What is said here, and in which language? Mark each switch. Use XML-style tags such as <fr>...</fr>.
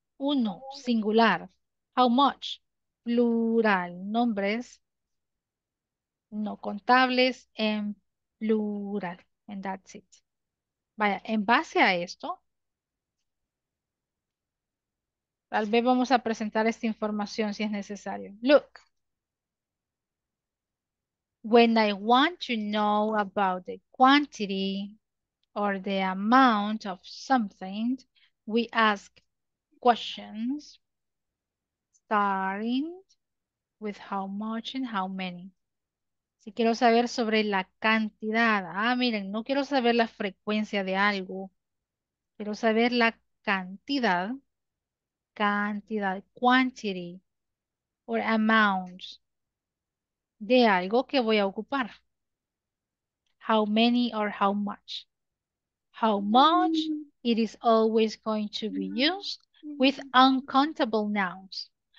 <es>Uno, singular.</es> <en>How much,</en> <es>plural, nombres. No contables en plural.</es> <en>And that's it.</en> <es>Vaya, en base a esto, tal vez vamos a presentar esta información si es necesario.</es> <en>Look. When I want to know about the quantity or the amount of something, we ask questions starting with how much and how many.</en> <es>Si quiero saber sobre la cantidad. Ah, miren, no quiero saber la frecuencia de algo. Quiero saber la cantidad. Cantidad,</es> <en>quantity, or amount</en> <es>de algo que voy a ocupar.</es> <en>How many or how much? How much? It is always going to be used with uncountable nouns.</en>